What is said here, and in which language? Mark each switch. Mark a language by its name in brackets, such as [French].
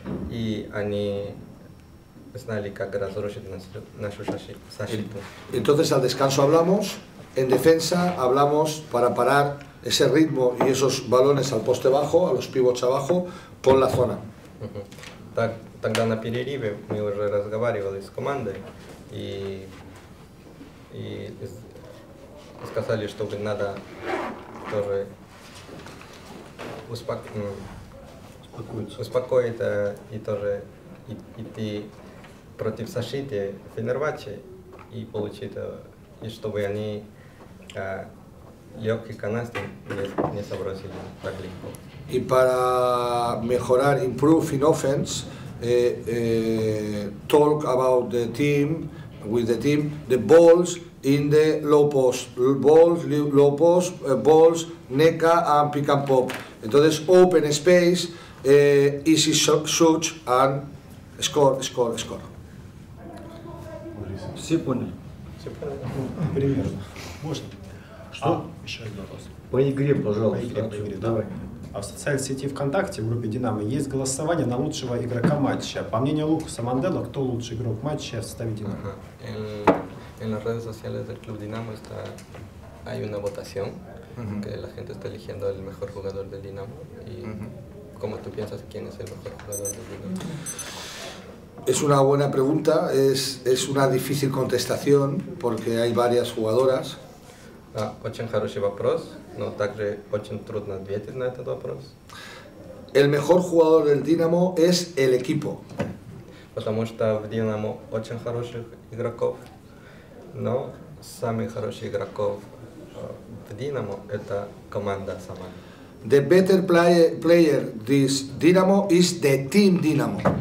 [Russian] И они знали, как разрушить нашу защиту. [Spanish] Entonces al descanso hablamos. En defensa hablamos para parar ese ritmo y esos balones al poste bajo, a los pivots abajo, con la zona. [Russian] Тогда на перерыве мы уже разговаривали с командой и сказали, что надо тоже успокоиться и тоже идти против защиты Фенербахче и получить, и чтобы они легкие канасты не забросили так легко. [English] И [Spanish] para mejorar, [English] improve in offense, talk about the team, with the team, the balls in the low post, balls, low post, balls, NECA and pick and pop. Entonces, open space, easy shoot and score, score, score. [Russian] Все поняли? Все поняли. Примерно. Можно? Что? Еще один вопрос. По игре, пожалуйста. По игре, давай. А в социальной сети ВКонтакте, в группе «Динамо», есть голосование на лучшего игрока матча. По мнению Лукаса Мандела, кто лучший игрок матча в составе «Динамо»? Ага. [Spanish] En las redes sociales del club «Динамо» está, hay una votación, que la gente está eligiendo el mejor jugador del «Динамо». Y ¿cómo tú piensas quién es el mejor jugador del «Динамо»? Es una buena pregunta, es una difícil contestación, porque hay varias jugadoras. [Russian] Очень хороший вопрос, но также очень трудно ответить на этот вопрос. [Spanish] El mejor jugador del Динамо es el equipo. [Russian] Потому что в Динамо очень хороших игроков, но самый хороший игроков в Динамо это команда сама. [English] The better player this Динамо is the team Динамо.